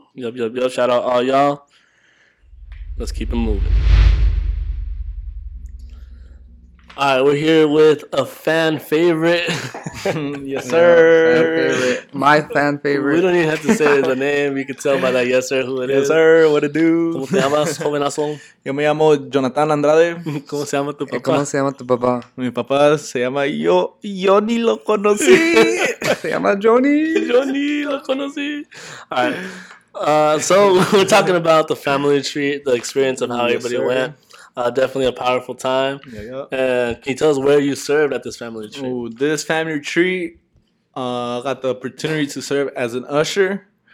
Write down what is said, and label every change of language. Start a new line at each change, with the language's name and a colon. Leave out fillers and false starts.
English: Yup. Shout out all y'all. Let's keep it moving. All right, we're here with a fan favorite. Yes, sir. My fan favorite. We don't even have to say the name. You can tell by that, yes, sir, who it is. Yes, sir, what it do?
Spanish: ¿Cómo te llamas, jovenazo? Yo me llamo Jonathan Andrade. ¿Cómo se llama tu papá? ¿Cómo se llama tu papá? Mi papá se llama Yo ni lo conocí. Se llama Johnny. Johnny lo conocí.
English: All right. So we're talking about the family retreat, the experience of how everybody went. Definitely a powerful time. Yeah. Can you tell us where you served at this family retreat? Ooh, this family retreat, I got the opportunity to serve as an usher.